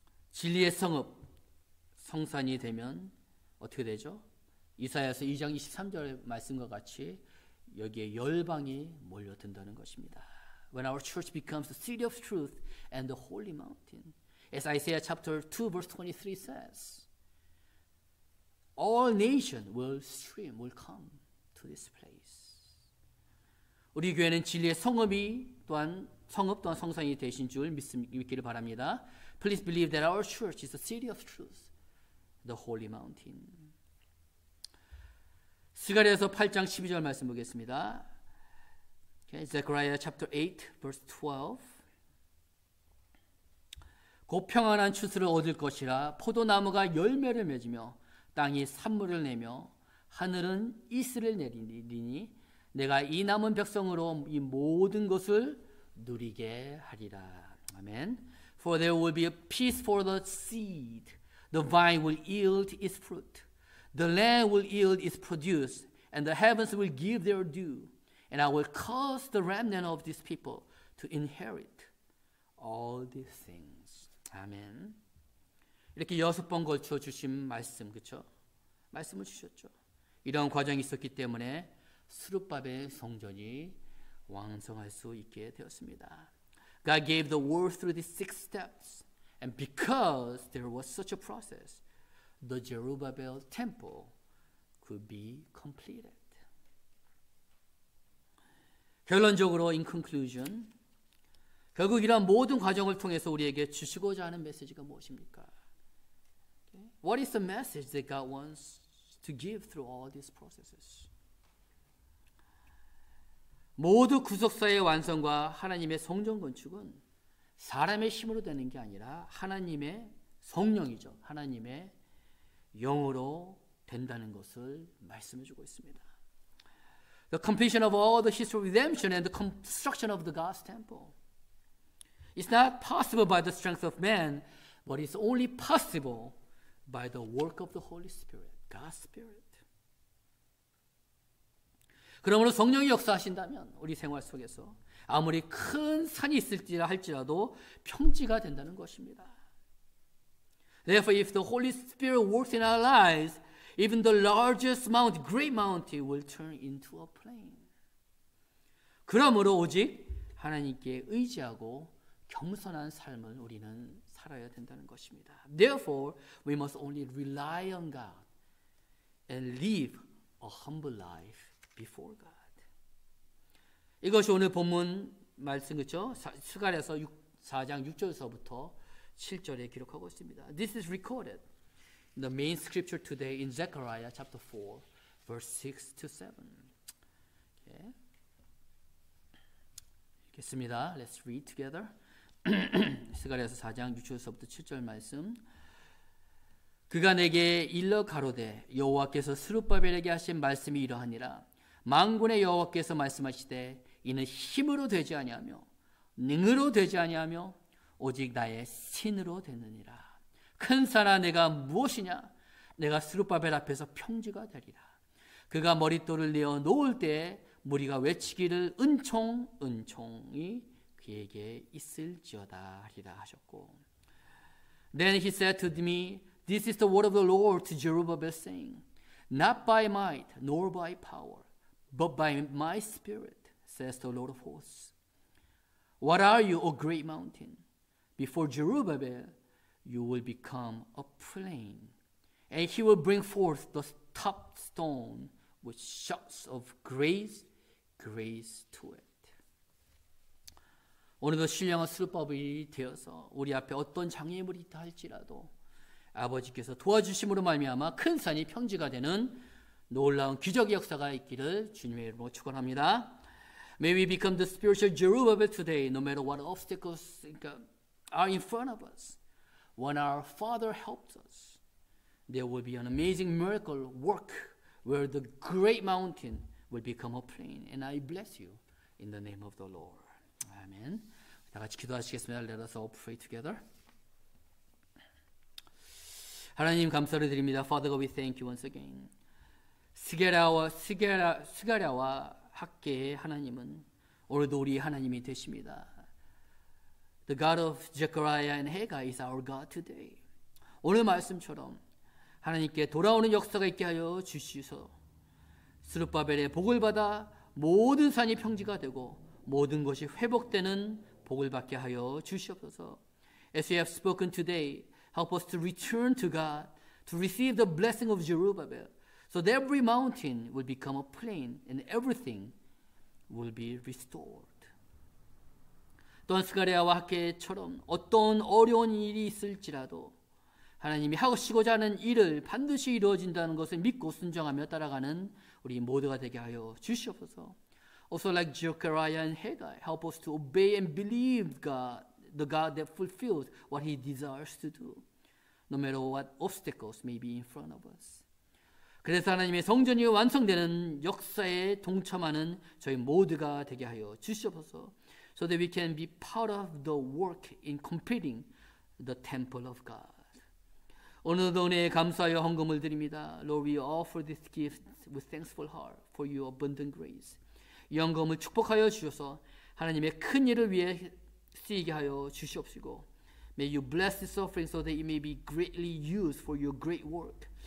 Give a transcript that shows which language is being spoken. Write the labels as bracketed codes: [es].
[ko] 진리의 성읍, 성산이 되면 어떻게 되죠? 이사야서 2장 23절 말씀과 같이 여기에 열방이 몰려든다는 것입니다. [en] When our church becomes the city of truth and the holy mountain, as Isaiah chapter 2 verse 23 says, all nations will come to this place. [ko] 우리 교회는 진리의 성읍 또한 성산이 되신 줄 믿기를 바랍니다. [en] Please believe that our church is the city of truth, the holy mountain. [ko] 스가랴서 8장 12절 말씀 보겠습니다. [en] Okay, Zechariah chapter 8, verse 12. [ko] 곧 평안한 추수를 얻을 것이라 포도나무가 열매를 맺으며 땅이 산물을 내며 하늘은 이슬을 내리니 내가 이 남은 백성으로 이 모든 것을 누리게 하리라. 아멘. [en] For there will be a peace for the seed. The vine will yield its fruit. The land will yield its produce. And the heavens will give their due. And I will cause the remnant of this people to inherit all these things. Amen. [ko] 이렇게 6번 걸쳐 주신 말씀, 그쵸? 말씀을 주셨죠. 이런 과정이 있었기 때문에 스룹바벨 성전이 완성할 수 있게 되었습니다. [en] God gave the word through these 6 steps, and because there was such a process, the Zerubbabel temple could be completed. [ko] 결론적으로, [en] in conclusion, [ko] 결국 이러한 모든 과정을 통해서 우리에게 주시고자 하는 메시지가 무엇입니까? [en] What is the message that God wants to give through all these processes? [ko] 모두 구속사의 완성과 하나님의 성전 건축은 사람의 힘으로 되는 게 아니라 하나님의 성령이죠. 하나님의 영으로 된다는 것을 말씀해 주고 있습니다. [en] The completion of all the history of redemption and the construction of the God's temple is not possible by the strength of man, but is only possible by the work of the Holy Spirit, God's Spirit. [ko] 그러므로 성령이 역사하신다면 우리 생활 속에서 아무리 큰 산이 있을지라 할지라도 평지가 된다는 것입니다. [en] Therefore, if the Holy Spirit works in our lives, even the largest mountain, great mountain, will turn into a plain. [ko] 그러므로 오직 하나님께 의지하고 겸손한 삶을 우리는 살아야 된다는 것입니다. [en] Therefore, we must only rely on God and live a humble life before God. [ko] 이것이 오늘 본문 말씀 그렇죠? 스가랴서 4장 6절서부터 7절에 기록하고 있습니다. [en] This is recorded in the main scripture today in Zechariah chapter 4, verse 6 to 7. [ko] 예. 읽겠습니다. [en] Let's read together. [ko] 스가랴서 4장 6절서부터 7절 말씀. 그가 내게 일러 가로되 여호와께서 스룹바벨에게 하신 말씀이 이러하니라. 만군의 여호와께서 말씀하시되 이는 힘으로 되지 아니하며 능으로 되지 아니하며 오직 나의 신으로 되느니라. 큰 산아 내가 무엇이냐? 내가 스룹바벨 앞에서 평지가 되리라. 그가 머리돌을 내어 놓을 때 무리가 외치기를 은총 은총이 그에게 있을지어다 하리라 하셨고. [en] Then he said to me, This is the word of the Lord to Zerubbabel, saying, Not by might nor by power, but by my spirit, says the Lord of hosts. What are you, O great mountain? Before Zerubbabel, you will become a plain, and he will bring forth the top stone with shouts of grace to it. [ko] 오늘도 신령한 스룹바벨이 되어서 우리 앞에 어떤 장애물이 있다 할지라도 아버지께서 도와주심으로 말미암아 큰 산이 평지가 되는 놀라운 기적의 역사가 있기를 주님의 이름으로 축원합니다. [en] May we become the spiritual Zerubbabel today, no matter what obstacles are in front of us. When our Father helps us, there will be an amazing miracle work where the great mountain will become a plain. And I bless you in the name of the Lord. Amen. [ko] 다 같이 기도하시겠습니다. [en] Let us all pray together. [ko] 하나님 감사를 드립니다. [en] Father God, we thank you once again. [ko] 스가랴와 학계의 하나님은 오늘도 우리 하나님이 되십니다. [en] The God of Zechariah and Haggai is our God today. [ko] 오늘 말씀처럼 하나님께 돌아오는 역사가 있게 하여 주시소서. 스룹바벨의 복을 받아 모든 산이 평지가 되고 모든 것이 회복되는 복을 받게 하여 주시옵소서. [en] As we have spoken today, help us to return to God to receive the blessing of Zerubbabel so that every mountain will become a plain and everything will be restored. [ko] 또한 스가랴와 학계처럼 어떤 어려운 일이 있을지라도 하나님이 하시고자 하는 일을 반드시 이루어진다는 것을 믿고 순종하며 따라가는 우리 모두가 되게 하여 주시옵소서. [en] Also like Zechariah and Haggai, help us to obey and believe God, the God that fulfills what he desires to do, no matter what obstacles may be in front of us. [ko] 그래서 하나님의 성전이 완성되는 역사에 동참하는 저희 모두가 되게 하여 주시옵소서. [en] So that we can be part of the work in completing the temple of God. [ko] 오늘도 은혜에 감사하여 헌금을 드립니다. [en] Lord, we offer this gift with thankful heart for your abundant grace. [ko] 이 헌금을 축복하여 주셔서 하나님의 큰 일을 위해 쓰이게 하여 주시옵시고 [en] May you bless this offering so that it may be greatly used for your great work.